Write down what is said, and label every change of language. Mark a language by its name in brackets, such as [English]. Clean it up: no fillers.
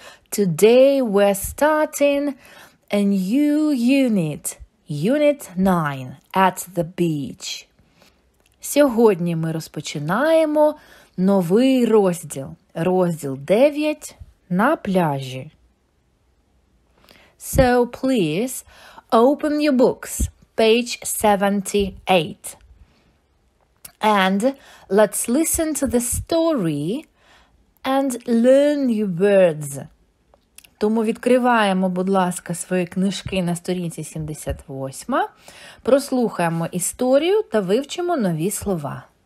[English] Today we're starting a new unit, Unit 9, at the beach. [Ukrainian] Сьогодні ми розпочинаємо новий розділ, розділ 9, на пляжі. [English] So please open your books, page 78. And let's listen to the story and learn new words. [Ukrainian] Тому відкриваємо, будь ласка, свої книжки на сторінці 78, прослухаємо історію та вивчимо нові слова.